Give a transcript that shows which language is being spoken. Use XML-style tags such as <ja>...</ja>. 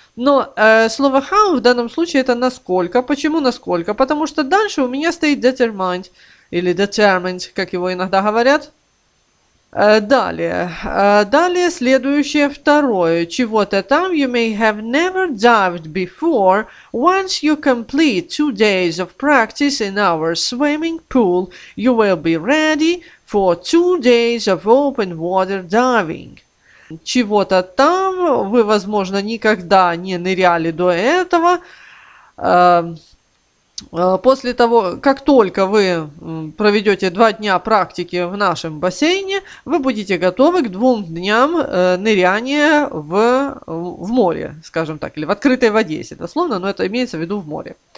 <ru>Но слово «how» в данном случае – это «насколько». Почему «насколько»? Потому что дальше у меня стоит «determined» или «determined», как его иногда говорят. Далее следующее, второе. Чего-то там</ru> <en>you may have never dived before. Once you complete 2 days of practice in our swimming pool, you will be ready for 2 days of open water diving.</en> <ru>Чего-то там вы, возможно, никогда не ныряли до этого. После того, как только вы проведете 2 дня практики в нашем бассейне, вы будете готовы к 2 дням ныряния в море, скажем так, или в открытой воде, если дословно, но это имеется в виду в море.</ru>